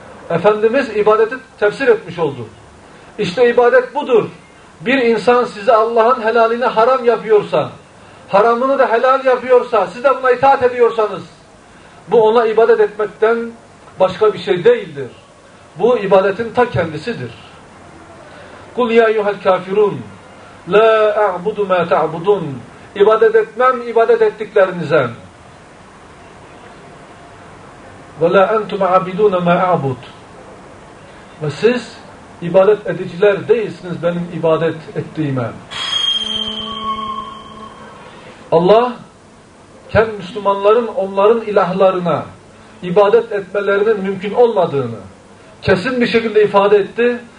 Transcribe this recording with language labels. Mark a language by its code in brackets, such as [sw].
[tr] Efendimiz ibadeti tefsir etmiş oldu. İşte ibadet budur. Bir insan size Allah'ın helalini haram yapıyorsa, haramını da helal yapıyorsa, siz de buna itaat ediyorsanız, bu ona ibadet etmekten başka bir şey değildir. Bu ibadetin ta kendisidir. [ar] قُلْ يَا اَيُّهَا الْكَافِرُونَ لَا اَعْبُدُ مَا تَعْبُدُونَ [tr] İbadet etmem ibadet ettiklerinize. [ar] وَلَا أَنْتُمْ عَبِدُونَ مَا اَعْبُدُ [tr] Ve siz ibadet ediciler değilsiniz benim ibadet ettiğime. Allah kendi Müslümanların onların ilahlarına ibadet etmelerinin mümkün olmadığını kesin bir şekilde ifade etti.